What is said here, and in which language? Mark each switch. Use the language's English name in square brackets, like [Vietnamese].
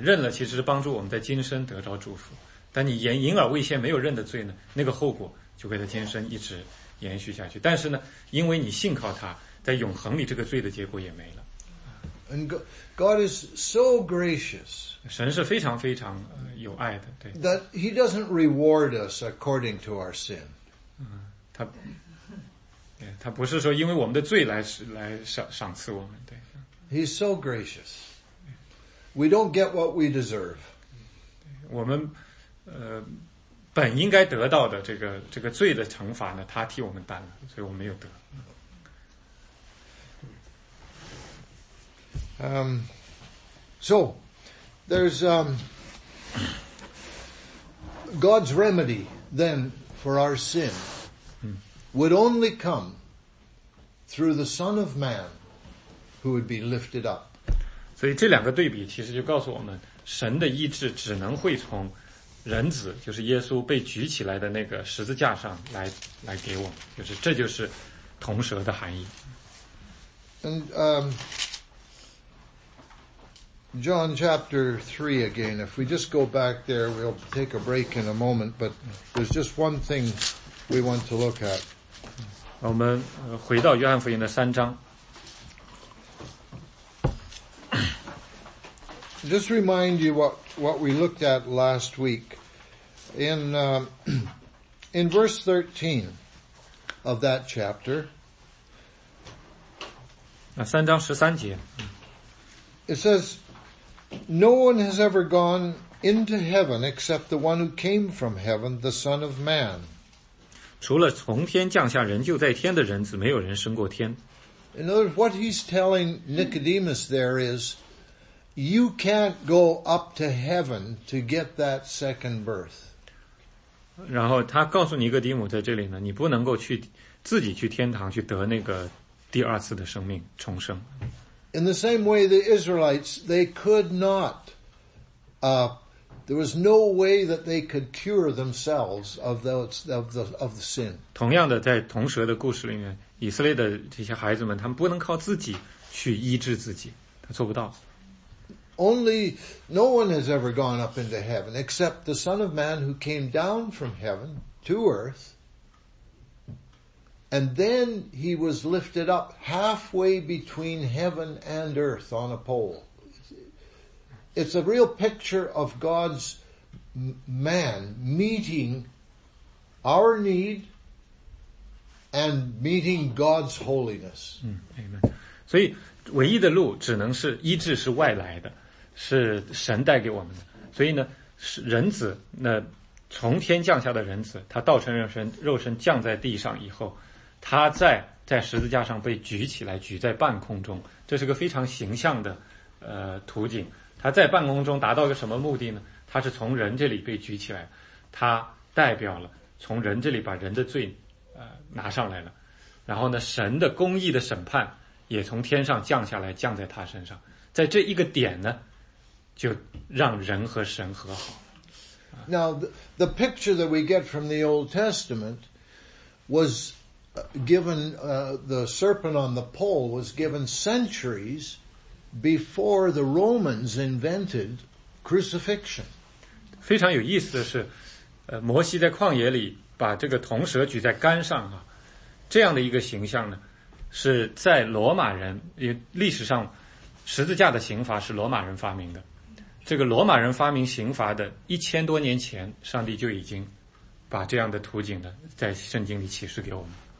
[Chinese] 认了其实是帮助我们在今生得着祝福。但你隐而未现没有认的罪呢，那个后果就会在今生一直延续下去。但是呢，因为你信靠他，在永恒里这个罪的结果也没了。 [English] And God is so gracious. [Chinese] 神是非常非常有爱的，对。 [English] That he doesn't reward us according to our sin. [Chinese] 他不是说因为我们的罪来赏赐我们，对。 [English] He's so gracious. We don't get what we deserve. [Chinese] 我们本应该得到的这个罪的惩罚呢，他替我们担了，所以我们没有得。 [English] So there's God's remedy then for our sin would only come through the Son of Man who would be lifted up. [Chinese] 所以这两个对比其实就告诉我们，神的医治只能会从人子，就是耶稣被举起来的那个十字架上来给我们，就是这就是铜蛇的含义。 [English] And John chapter 3 again, if we just go back there, we'll take a break in a moment, but there's just one thing we want to look at. [Chinese] 我们回到约翰福音的三章。 [English] Just remind you what we looked at last week in verse 13 of that chapter. [Chinese] 三章十三节。 [English] It says, No one has ever gone into heaven except the one who came from heaven, the Son of Man. [Chinese] 除了从天降下人就在天的人子，没有人升过天。 [English] In other words, what he's telling Nicodemus there is,You can't go up to heaven to get that second birth. [Chinese] 然后他告诉尼哥底母在这里呢，你不能够去自己去天堂去得那个第二次的生命重生。 [English] In the same way, the Israelites they could not. There was no way that they could cure themselves of the sin. [Chinese] 同样的，在铜蛇的故事里面，以色列的这些孩子们，他们不能靠自己去医治自己，他做不到。 [English] Only no one has ever gone up into heaven except the Son of Man who came down from heaven to earth, and then he was lifted up halfway between heaven and earth on a pole. It's a real picture of God's man meeting our need and meeting God's holiness. Amen. [Chinese] 所以唯一的路只能是医治是外来的。是神带给我们的，所以呢，人子那从天降下的人子，他道成肉身降在地上以后，他在十字架上被举起来，举在半空中，这是个非常形象的图景。他在半空中达到一个什么目的呢？他是从人这里被举起来，他代表了从人这里把人的罪拿上来了，然后呢，神的公义的审判也从天上降下来，降在他身上，在这一个点呢。就让人和神和好。 [English] Now, the picture that we get from the Old Testament was given, the serpent on the pole was given centuries before the Romans invented crucifixion. [Chinese] 非常有意思的是，摩西在旷野里把这个铜蛇举在杆上啊，这样的一个形象呢，是在罗马人，历史上十字架的刑罚是罗马人发明的。这个罗马人发明刑罚的一千多年前，上帝就已经把这样的图景呢，在圣经里启示给我们。